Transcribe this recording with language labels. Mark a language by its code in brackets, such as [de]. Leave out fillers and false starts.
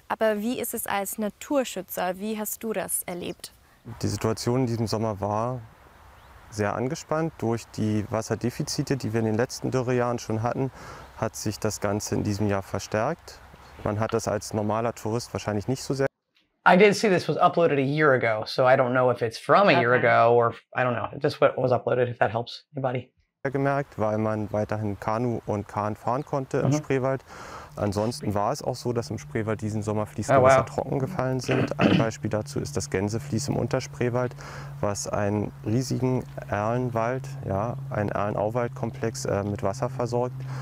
[de] Aber wie ist es als Naturschützer? Wie hast du das erlebt? Die Situation in diesem Sommer war sehr angespannt. Durch die Wasserdefizite, die wir in den letzten Dürrejahren schon hatten, hat sich das Ganze in diesem Jahr verstärkt. Man hat das als normaler Tourist wahrscheinlich nicht so sehr. [en] I did see this was uploaded a year ago, so I don't know if it's from a year ago or I don't know. Just what was uploaded, if that helps anybody. [de] Gemerkt, weil man weiterhin Kanu und Kahn fahren konnte im Spreewald. Ansonsten war es auch so, dass im Spreewald diesen Sommer Fließgewässer trocken gefallen sind. Ein Beispiel dazu ist das Gänsefließ im Unterspreewald, was einen riesigen Erlenwald, ja, einen Erlenauwaldkomplex mit Wasser versorgt.